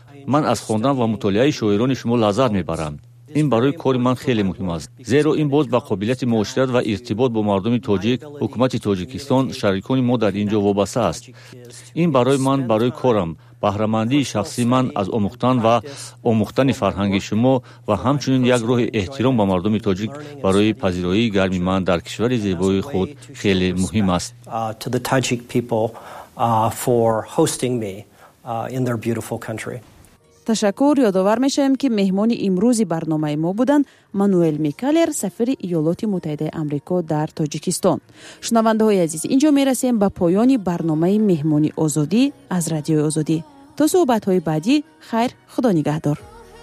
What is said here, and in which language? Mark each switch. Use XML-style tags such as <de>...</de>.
<fa>من از خواندن و مطالعه شاعران شما لذت میبرم. این برای کار من خیلی مهم است، زیرا این باز به قابلیت معاشرت و ارتباط با مردم تاجیک، حکومت تاجیکستان، شریکان ما در اینجا وابسته است. این برای من، برای کارم، بهره‌مندی شخصی من از آموختن و آموختن فرهنگ شما و همچنین یک روح احترام به مردم تاجیک برای پذیرایی گرم من در کشور زیبای خود خیلی مهم است.</fa> <en>Tajik people for hosting me in their beautiful country.</en> <fa>تشکر. یادآور میشویم که مهمان امروز برنامه ما بودند مانوئل میکلر، سفیر ایالات متحده آمریکا در تاجیکستان. شنونده های عزیز، اینجا میرسیم به پایان برنامه مهمان آزادی از رادیو آزادی. تا صحبت های بعدی، خیر، خدا نگهدار.</fa>